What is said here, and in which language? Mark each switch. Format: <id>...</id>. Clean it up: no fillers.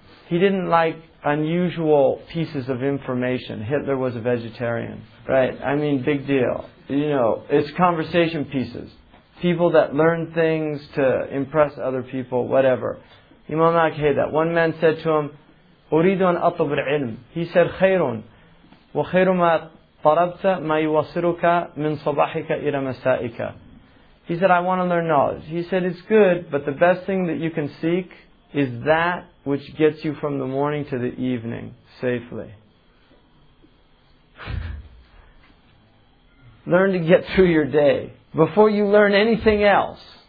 <en>He didn't like unusual pieces of information. Hitler was a vegetarian. Right? I mean, big deal. You know, it's conversation pieces. People that learn things to impress other people, whatever. Imam Malik hated that. One man said to him,</en> <ar>أريد أن أطلب العلم.</ar> <en>He said,</en> <ar>خير وخير ما طلبت ما يواصلك من صباحك إلى مسائك.</ar> <en>He said, I want to learn knowledge. He said, it's good, but the best thing that you can seek is that which gets you from the morning to the evening safely. Learn to get through your day before you learn anything else.</en>